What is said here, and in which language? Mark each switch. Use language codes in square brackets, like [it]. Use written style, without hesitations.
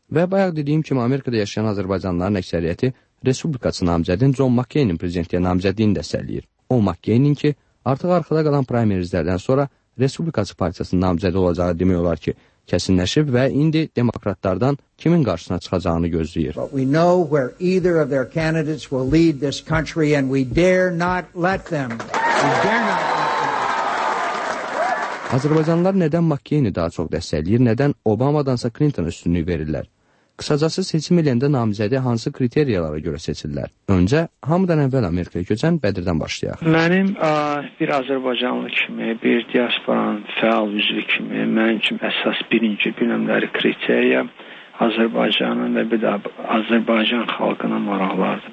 [az] Və bayaq dediyim kimi, Amerikada yaşayan Azərbaycanlıların əksəriyyəti Respublikaçı namizədin John McCain'in prezidentliyə namizədini dəstəkləyir. O McCain'in ki, artıq arxada qalan primerizlərdən sonra Respublikaçı partiyasının namizədi olacağı demək olar ki, kəsinləşib və indi demokratlardan kimin qarşısına çıxacağını gözləyir. [en] But we know where either of their candidates will lead this country and we dare not let them. We dare not let them. [az] Azərbaycanlılar nədən McCain-i daha çox dəstəkləyir, nədən Obamadansa Clinton-a üstünlük verirlər? Qısacası seçim eləndə namizədi hansı kriteriyalara görə seçirlər? Öncə, hamıdan əvvəl Amerikaya köçən Bədirdən başlayaq. Mənim bir Azərbaycanlı kimi, bir diasporanın fəal üzvü kimi, mənim üçün əsas birinci bilimləri kriteriya Azərbaycanın və bir də Azərbaycan xalqına maraqlardır.